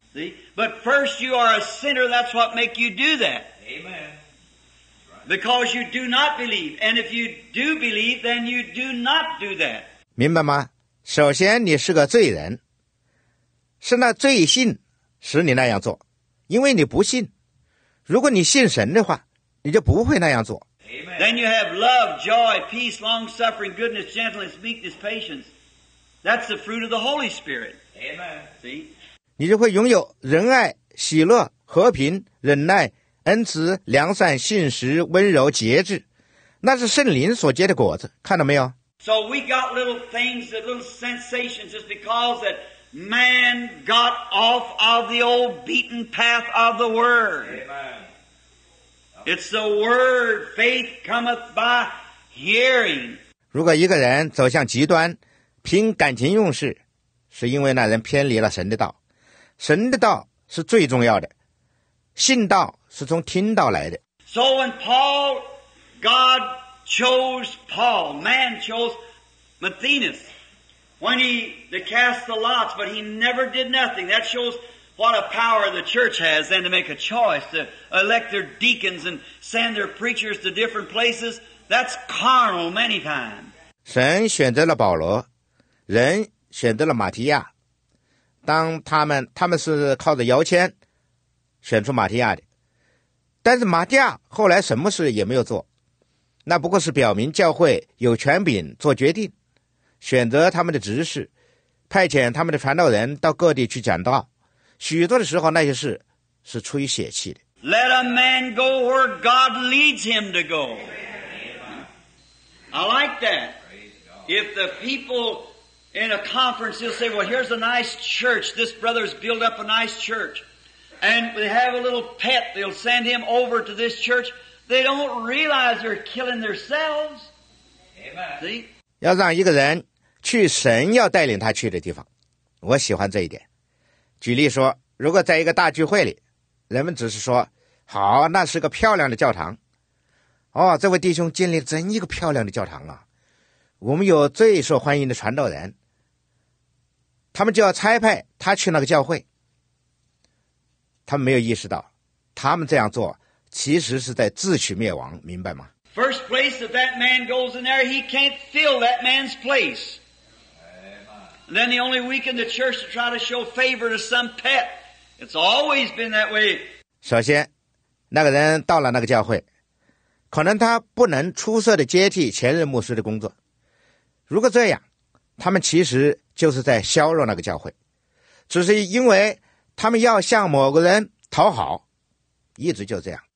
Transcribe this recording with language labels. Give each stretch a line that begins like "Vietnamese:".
English: See? But first you are a sinner, that's what make you do that. Amen. Because you do not believe. And if you do believe, then you do not do that.
Chinese: 明白吗？首先你是个罪人，是那罪性使你那样做，因为你不信。如果你信神的话，你就不会那样做。
English: Then you have love, joy, peace, long-suffering, goodness, gentleness, meekness, patience. That's the fruit of the Holy Spirit. Amen. See?
Chinese: 你就会拥有仁爱、喜乐、和平、忍耐、恩慈、良善、信实、温柔、节制。那是圣灵所结的果子，看到没有？
English: So we got little things, little sensations, just because that man got off of the old beaten path of the Word. Amen. It's the word, faith cometh by hearing.
Chinese: 如果一个人走向极端，凭感情用事，是因为那人偏离了神的道。神的道是最重要的，信道是从听道来的。
English: So when Paul, God chose Paul, man chose Matthias, when he to cast the lots, but he never did nothing, that showsWhat a power the church has then to make a choice, to elect their deacons and send their preachers to different places. That's carnal many times.
Chinese: 神选择了保罗，人选择了马提亚。当他们是靠着摇签选出马提亚的。但是马提亚后来什么事也没有做。那不过是表明教会有权柄做决定，选择他们的执事，派遣他们的传道人到各地去讲道。许多的时候那些事是出于血气的。
English: Let a man go where God leads him to go. I like that. If the people in a conference, they'll say, well, here's a nice church. This brother's built up a nice church. And they have a little pet. They'll send him over to this church. They don't realize they're killing themselves. See?
Chinese: 要让一个人去神要带领他去的地方。我喜欢这一点。举例说，如果在一个大聚会里，人们只是说，好，那是个漂亮的教堂。哦，这位弟兄建立了真一个漂亮的教堂啊。我们有最受欢迎的传道人，他们就要差派他去那个教会。他们没有意识到，他们这样做其实是在自取灭亡，明白吗？
English: First place that that man goes in there, he can't fill that man's place. Then the only weak in the church to try to show favor to some pet. It's always been that way.
Chinese: 首先，那个人到了那个教会，可能他不能出色地接替前任牧师的工作。如果这样，他们其实就是在削弱那个教会，只是因为他们要向某个人讨好，一直就这样。